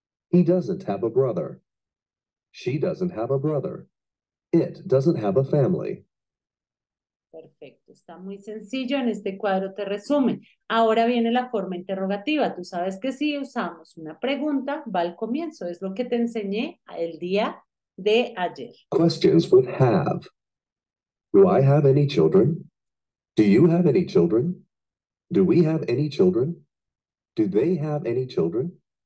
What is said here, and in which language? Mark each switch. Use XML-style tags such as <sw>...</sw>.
<en>He doesn't have a brother. She doesn't have a brother. It doesn't have a family.</en> <es>Perfecto. Está muy sencillo. En este cuadro te resume. Ahora viene la forma interrogativa. Tú sabes que si usamos una pregunta, va al comienzo. Es lo que te enseñé el día de ayer.</es> <en>Questions with have. Do I have any children? Do you have any children? Do we have any children? Do they have any children?</en>